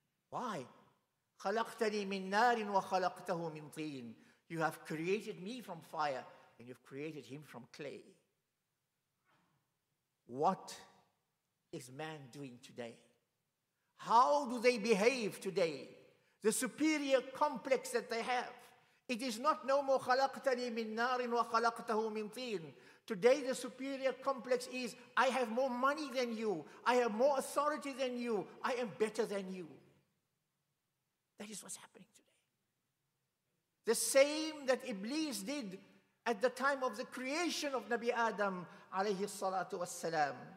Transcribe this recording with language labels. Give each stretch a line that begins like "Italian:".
English: Why?
Arabic: خَلَقْتَنِي مِن نَارٍ وَخَلَقْتَهُ مِن طِينٍ.
English: You have created me from fire and you've created him from clay. What is man doing today? How do they behave today? The superior complex that they have. It is not no more
Arabic: خَلَقْتَنِي مِن نَارٍ وَخَلَقْتَهُ مِن طِينٍ.
English: Today the superior complex is, I have more money than you. I have more authority than you. I am better than you. That is what's happening today. The same that Iblis did at the time of the creation of Nabi Adam alayhi salatu wassalam.